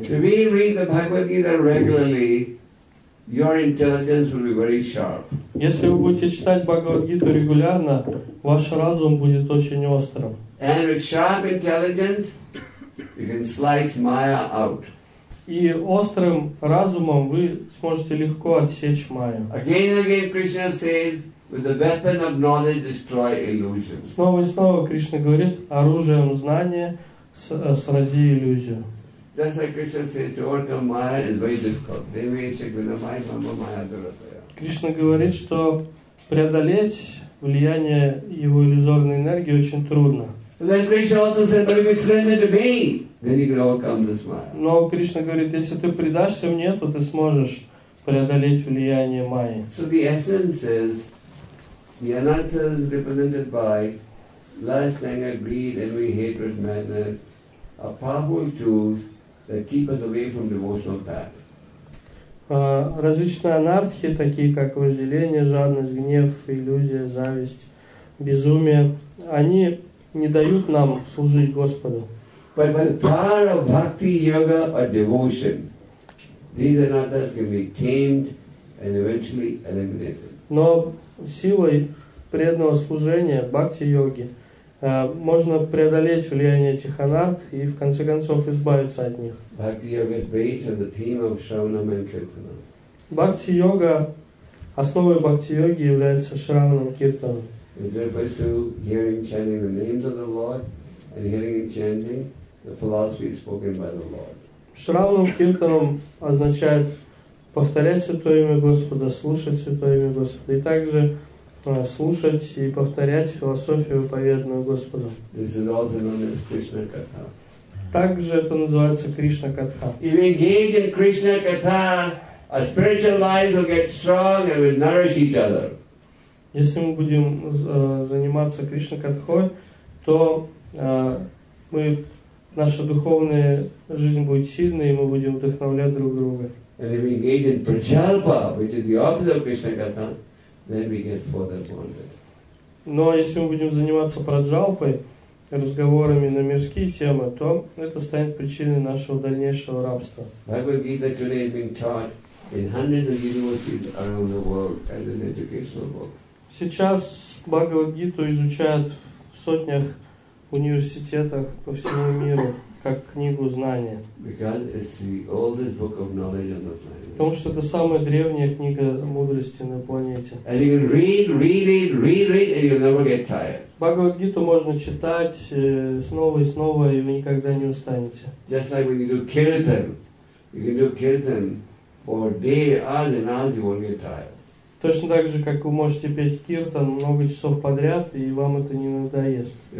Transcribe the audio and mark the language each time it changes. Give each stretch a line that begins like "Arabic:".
English: If we read the Bhagavad Gita regularly, your intelligence will be very sharp.
Russian: Если вы будете читать Бхагавад Гиту регулярно, ваш разум будет очень острым.
English: And with sharp intelligence, you can slice Maya out.
Russian: И острым разумом вы сможете легко отсечь майю.
English: Again and again Krishna says, with the weapon of knowledge destroy illusion.
Russian: Снова и снова Кришна говорит, оружием знания срази иллюзию.
English: That's why Krishna says, to overcome Maya is very difficult.
Sanskrit: Devyeshik vinamai mama maya durataya.
Russian: Кришна говорит, что преодолеть влияние его иллюзорной энергии очень трудно.
English: Then Krishna also said, but if it's surrendered to me, then you can overcome this Maya.
Russian: Но Кришна говорит, если ты предашься мне, то ты сможешь преодолеть влияние Майи.
English: So the essence is, the anatta is represented by lust, anger, greed, envy, hatred, madness, a powerful tools that keep us away from devotional path.
Russian: Различные анартхи, такие как вожделение, жадность, гнев, иллюзия, зависть, безумие, они не дают нам служить Господу.
English: But by the power of bhakti, yoga, or devotion, these anarthas can be tamed and eventually eliminated.
Russian: Но силой преданного служения, бхакти-йоги, можно преодолеть влияние этих анарт и в конце концов избавиться от них.
English: Bhakti-yoga is based on the theme of Shravanam and Kirtanam.
Russian: Bhakti-yoga, основой бхакти-йоги является Шраванам Киртанам.
English: It refers to hearing, chanting the names of the Lord, and hearing and chanting the philosophy spoken by the Lord.
Russian: Шравана Киртанам означает повторять святое имя Господа, слушать святое имя Господа, и также слушать и повторять философию, поведанную Господом.
English: This is also known as Krishna Katha.
Russian: Также это называется Кришна Катха.
English: If we engage in Krishna Katha, our spiritual life will get strong and will nourish each other.
Russian: Если мы будем заниматься Кришна Катхой, то наша духовная жизнь будет сильной, и мы будем вдохновлять друг друга.
English: And if we engage in Prachalpa, which is the opposite of Krishna Katha, then we get further bonded.
Russian: Но если мы будем заниматься Праджалпой, разговорами на мирские темы, то это станет причиной нашего дальнейшего рабства.
English: Bhagavad Gita today is being taught in hundreds of universities around the world as an educational book.
Russian: Сейчас Бхагавад Гиту изучают в сотнях университетах по всему миру как книгу знания.
English: Because it's the oldest book of knowledge on the planet.
Russian: Потому что это самая древняя книга мудрости на планете.
English: And you can read, and you'll never get tired.
Russian: Бхагавад Гиту можно читать снова и снова, и вы никогда не устанете.
English: Just like when you do kirtan, for day, hours and hours, you won't get tired.
Russian: Точно так же, как вы можете петь киртан много часов подряд, и вам это не надоест.